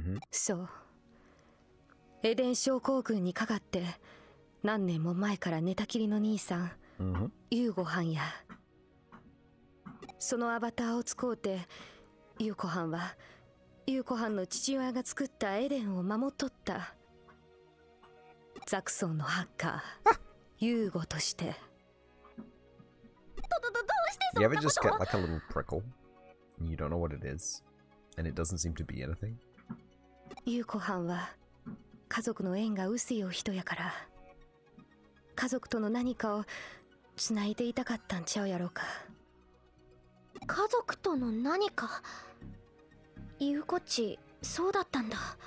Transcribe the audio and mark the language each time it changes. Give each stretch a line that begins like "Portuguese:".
Japanese: そう、エデン症候群にかかって何年も前から寝たきりの兄さん、ユーゴハンや。そのアバターを使うてユーゴハンはユーゴハンの父親が作ったエデンを守っとった。ザクソンのハッカーユーゴとして。どうしてそんなこと。
English: You ever just get like a little prickle and you don't know what it is and it doesn't seem to be anything?
Japanese: ユーコハンは家族の縁が薄いお人やから、家族との何かをつないでいたかったんちゃうやろうか。家族との何か、ユーコッチそうだったんだ。